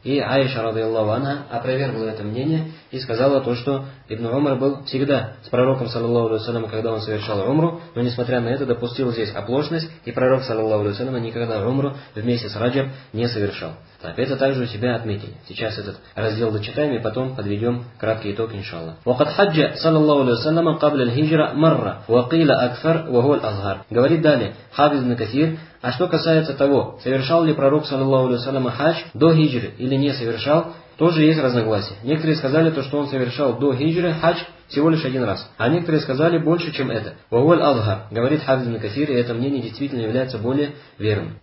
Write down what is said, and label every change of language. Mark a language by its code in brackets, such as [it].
[ru] И Аиша, радиаллаху анха, опровергла это мнение и сказала то, что Ибн Умар был всегда с пророком, саллаллаху алейхи ва саллям, когда он совершал умру, но несмотря на это допустил здесь оплошность, и пророк, саллаллаху алейхи ва саллям, никогда умру в месяц Раджаб не совершал. Это также у себя отметили. Сейчас этот раздел дочитаем и потом подведем краткий итог, иншаллах. [ar] وقد حج صلى الله عليه وسلم قبل الهجرة مرة وقيل أكثر وهو الأظهر. [ru] Говорит далее Хафиз ибн Касир. А что касается того, совершал ли пророк саллаллаху алейхи ва саллям хадж до хиджры или не совершал, тоже есть разногласия. Некоторые сказали то, что он совершал до хиджры хадж всего лишь один раз. А некоторые сказали больше, чем это. «Вагуаль Азхар», говорит Хафиз ибн Касир, и это мнение действительно является более верным.